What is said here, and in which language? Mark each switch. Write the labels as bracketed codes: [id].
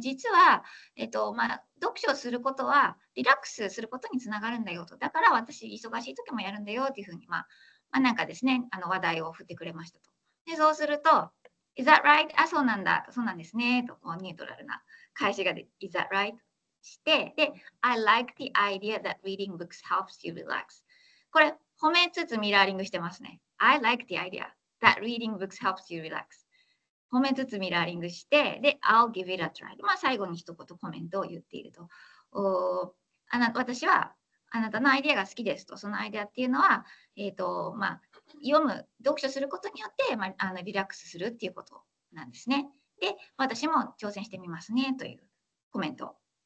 [ja] 実は、まあ、読書することはリラックスすることにつながるんだよと、だから私忙しい時もやるんだよっていうふうに、まあ、なんかですね、話題を振ってくれましたと。でそうすると、 [en] Is that right? [ja] あ、そうなんだ。そうなんですね。とこうニュートラルな返しが、 [en] Is that right? [ja] して、で、 [en] I like the idea that reading books helps you relax。 [ja] これ、褒めつつミラーリングしてますね。 [en] I like the idea that reading books helps you relax。 [ja] 褒めつつミラーリングして、で、 [en] I'll give it a try。 [ja] まあ、最後に一言コメントを言っていると。私はあなたのアイディアが好きですと。そのアイディアっていうのは、まあ、読む、読書することによって、まあ、リラックスするっていうことなんですね。で、私も挑戦してみますねというコメント。